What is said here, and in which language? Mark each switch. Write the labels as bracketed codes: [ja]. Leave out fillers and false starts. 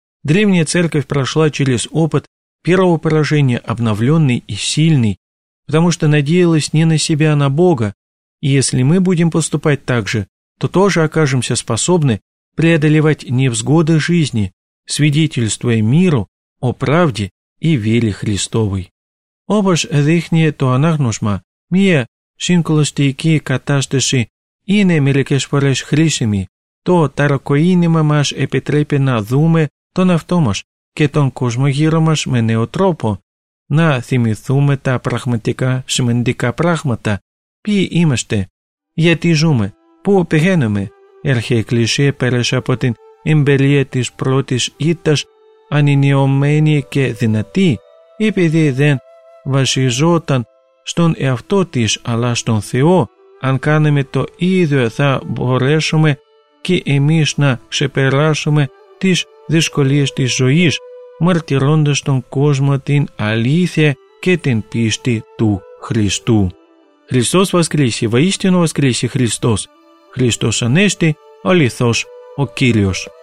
[ru] Древняя церковь прошла через опыт первого поражения, обновленный и сильный, потому что надеялась не на себя, а на Бога. И если мы будем поступать так же, то тоже окажемся способны преодолевать невзгоды жизни, свидетельствуя миру о правде и вере Христовой. [el] Όπως δείχνει το ανάγνωσμα, μία συγκλωστική κατάσταση είναι μερικές φορές χρήσιμη. Το ταρακοίνημα μας επιτρέπει να δούμε τον εαυτό μας και τον κόσμο γύρω μας με νέο τρόπο, να θυμηθούμε τα πραγματικά σημαντικά πράγματα. Ποιοι είμαστε, γιατί ζούμε, πού πηγαίνουμε. Η Αρχαιοεκκλησία πέρασε από την εμπειρία της πρώτης ήττας ανενιωμένη και δυνατή, επειδή δεν βασιζόταν στον εαυτό της αλλά στον Θεό. Αν κάνουμε το ίδιο, θα μπορέσουμε και εμείς να ξεπεράσουμε τις δυσκολίες της ζωής, μαρτυρώντας τον κόσμο την αλήθεια και την πίστη του Χριστού. [ru] Христос воскресе, воистину воскресе Христос. [el] Христос Анести, Алитос, о Кириос.